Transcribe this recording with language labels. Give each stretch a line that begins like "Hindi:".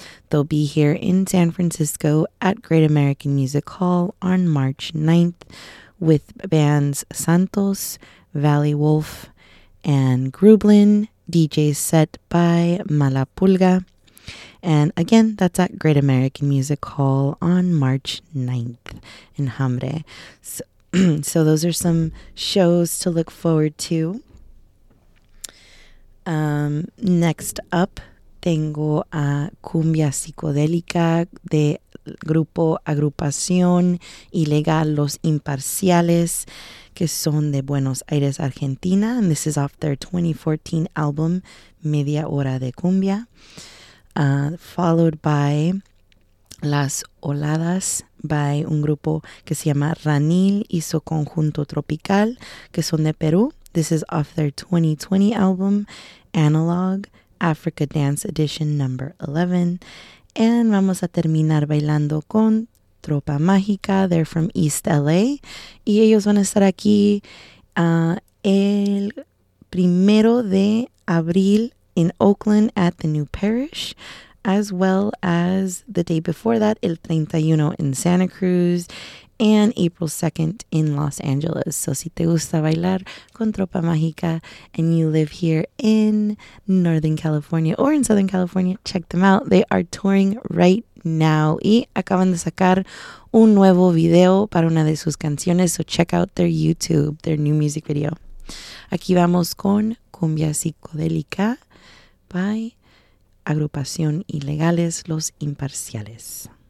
English: They'll be here in San Francisco at Great American Music Hall on March 9th with bands Santos, Valley Wolf, and Grublin, DJ set by Malapulga. And again, that's at Great American Music Hall on March 9th in Hambre. So those are some shows to look forward to. Next up,
Spanish: tengo a Cumbia Psicodélica de Grupo Agrupación Ilegal Los Imparciales, que son de Buenos Aires, Argentina.
English: And this is off their 2014 album, Media Hora de Cumbia. Followed by
Spanish: Las Oladas by un grupo que se llama Ranil y su Conjunto Tropical, que son de Perú.
English: This is off their 2020 album, Analog, Africa Dance Edition number 11.
Spanish: And vamos a terminar bailando con Tropa Mágica.
English: They're from East LA.
Spanish: Y ellos van a estar aquí el primero de abril
English: in Oakland at the New Parish, as well as the day before that, el 31 in Santa Cruz, and April 2nd in Los Angeles. So
Spanish: si te gusta bailar con
English: Tropa Mágica and you live here in Northern California or in Southern California, check them out. They are touring right now.
Spanish: Y acaban de sacar un nuevo video para una de sus canciones.
English: So check out their YouTube, their new music video.
Spanish: Aquí vamos con Cumbia Psicodélica by Agrupación Ilegales Los Imparciales.